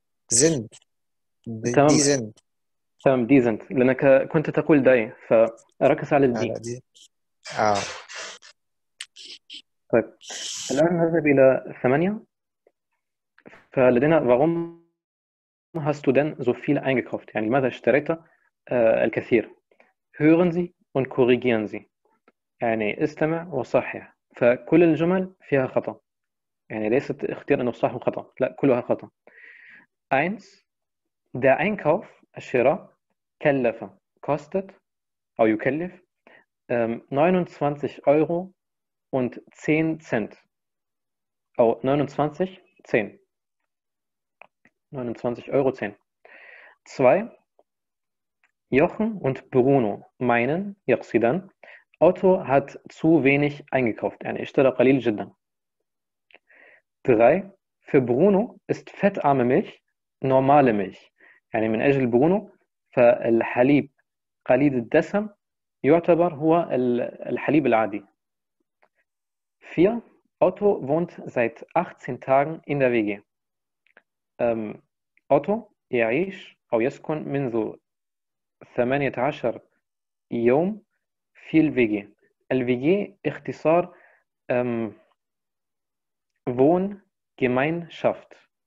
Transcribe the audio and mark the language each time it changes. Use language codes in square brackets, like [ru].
[ar] زين تمام ديزن. تمام ديزن لانك كنت تقول داي فركز على الدي. طيب الان نذهب الى ثمانية. [de] فلدينا warum hast du denn so viel eingekauft [ar] يعني لماذا اشتريت الكثير. [de] hören Sie und korrigieren Sie [ar] يعني استمع وصحح. فكل الجمل فيها خطا يعني ليست اختيار انه صح وخطا لا كلها خطا. 1. [de] Der Einkauf, [ar] الشراء, كلف, [de] kostet, [ar] أو يكلف, [de] 29 Euro und 10 Cent. [ar] أو 29, 10. 29 Euro, 10. 2. [de] Jochen und Bruno meinen, [ar] يقصدان, [de] Otto hat zu wenig eingekauft. [ar] يعني اشترى قليل جدا. 3. [de] Für Bruno ist fettarme Milch normale Milch. [ar] يعني من أجل برونو فالحليب قليل الدسم يعتبر هو الحليب العادي. 4. [de] Otto wohnt seit 18 Tagen in der WG. [ar] Otto يعيش أو يسكن منذ 18 يوم في الWG. الWG اختصار Wohngemeinschaft.